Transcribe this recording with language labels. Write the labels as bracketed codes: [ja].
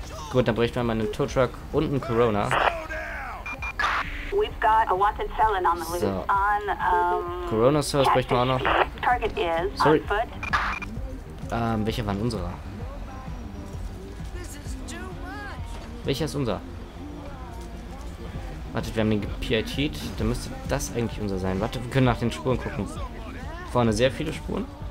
[de] Gut, dann bräuchten wir einmal einen Tow Truck und einen Corona. [en] We've got a wanted felon on the loose. [de] Corona Service bräuchten wir auch noch. [en] Target is sorry. On foot. [de] Welcher war denn unserer? Welcher ist unser? Wartet, wir haben den PIT'd. Dann müsste das eigentlich unser sein. Warte, wir können nach den Spuren gucken. Vorne sehr viele Spuren.